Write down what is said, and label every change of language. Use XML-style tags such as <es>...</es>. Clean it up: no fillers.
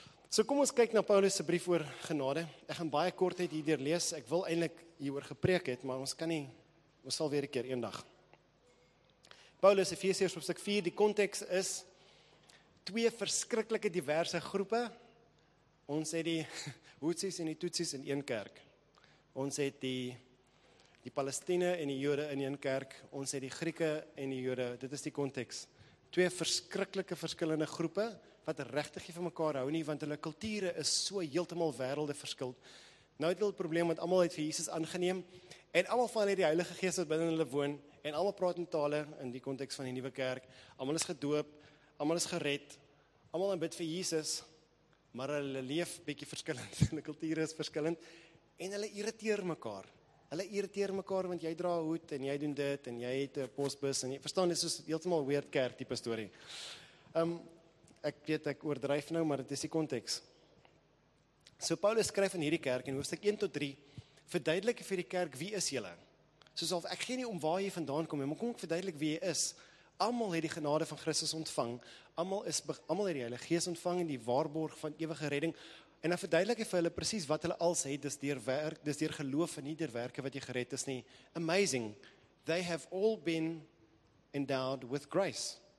<af>So kom ons kyk na Paulus' brief oor genade. Ek gaan baie kort het hierdeur lees, ek wil eindelijk hieroor gepreek het, maar ons kan nie, ons sal weer een keer een dag. Paulus, Efesiërs hoofstuk 4, die context is twee verskriklike diverse groepe. Ons het die Hutsies en die Tutsies in een kerk. Ons het die Palestine en die Jode in een kerk. Ons het die Grieke en die Jode, dit is die context. Twee verskriklike verskillende groepe, wat regtig nie van mekaar hou nie, want hulle kulture is so heeltemal wêrelde verskil. Nou het hulle probleem, want allemaal het vir Jesus aangeneem, en allemaal van hulle die Heilige Gees wat binnen hulle woon, en allemaal praat in tale, in die context van die nieuwe kerk, allemaal is gedoop, allemaal is gered, allemaal aanbid vir Jesus, maar hulle leef bietjie verskillend, hulle kulture is verskillend, en hulle irriteer mekaar. Hulle irriteer mekaar, want jy dra hoed, en jy doen dit, en jy het postbus, en jy, verstaan, dit is soos heeltemal weird kerk type story. Ek weet, ek oordryf nou, maar dit is die context. So Paulus skryf in hierdie kerk, in hoofstuk 1 tot 3, verduidelik vir die kerk, wie is julle? Soos of ek gee nie om waar jy vandaan kom, maar kom ek verduidelik wie jy is. Almal het die genade van Christus ontvang, almal het die hele gees ontvang, en die waarborg van ewige redding, en dan verduidelik vir hulle precies wat hulle als het, dis deur geloof en nie deur werke wat jy gered is nie.</af> <en>Amazing, they have all been endowed with grace.</en>